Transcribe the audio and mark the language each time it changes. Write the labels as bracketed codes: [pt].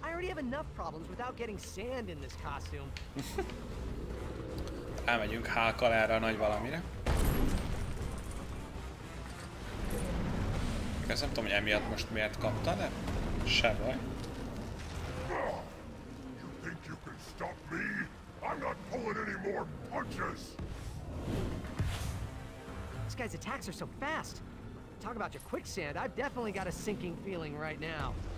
[en] I already have enough problems without getting sand in this costume. [hu] Elmegyünk Hulk-kal erre a nagy valamire. Ez nem tudom, hogy emiatt most miért kapta, de se baj. [en] You think you can stop me? I'm not pulling any more punches. This guy's attacks are so fast. Talk about your quicksand. I've definitely got a sinking feeling right now.